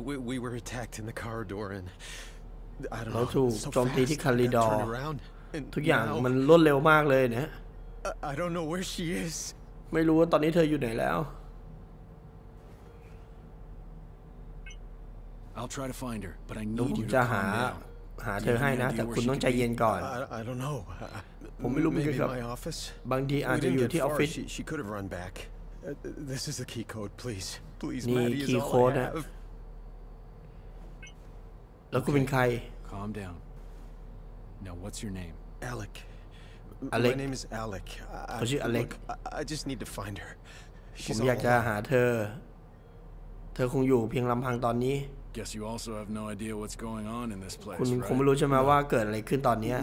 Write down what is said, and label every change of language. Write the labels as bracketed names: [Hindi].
[English] We were attacked in the corridor and I don't know. [Thai] เราถูกโจมตีที่คาริดอร์ทุกอย่างมันรวดเร็วมากเลยนะ [English] I don't know where she is. [Thai] ไม่รู้ว่าตอนนี้เธออยู่ไหนแล้ว [English] I'll try to find her, but I need you to come [Thai] จะหาเธอให้นะแต่คุณต้องใจเย็นก่อน [English] I don't know. [Thai] ผมไม่รู้เหมือนกันบางทีอาจจะอยู่ที่ออฟฟิศ [English] She could have run back. This is the key code, please. Please, Maddie is all I have. [Thai] แล้วคุณเป็นใคร [English] Calm down. Now, what's your name? Alec. Alec. My name is Alec. [Thai] เขาชื่อ Alec. [English] I just need to find her. [Thai] ผมอยากจะหาเธอคงอยู่เพียงลำพังตอนนี้ [English] Guess you also have no idea what's going on in this place, right? [Thai] คุณคงไม่รู้ใช่ไหมว่าเกิดอะไรขึ้นตอนนี